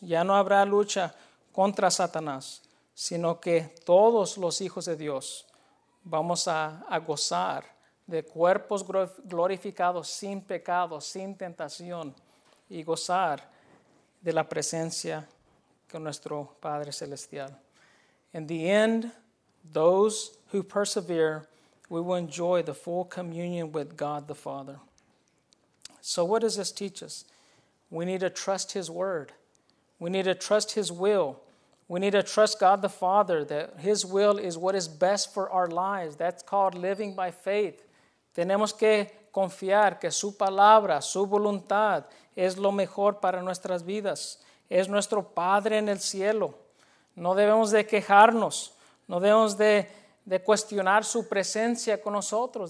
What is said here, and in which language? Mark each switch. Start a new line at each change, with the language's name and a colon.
Spanish: Ya no habrá lucha contra Satanás, sino que todos los hijos de Dios vamos a gozar de cuerpos glorificados, sin pecado, sin tentación, y gozar de la presencia con nuestro Padre Celestial.
English: In the end, those who persevere, we will enjoy the full communion with God the Father. So what does this teach us? We need to trust His word. We need to trust His will. We need to trust God the Father, that His will is what is best for our lives. That's called living by faith.
Spanish: Tenemos que confiar que su palabra, su voluntad, es lo mejor para nuestras vidas. Es nuestro Padre en el cielo. No debemos de quejarnos. No debemos de cuestionar su presencia con nosotros.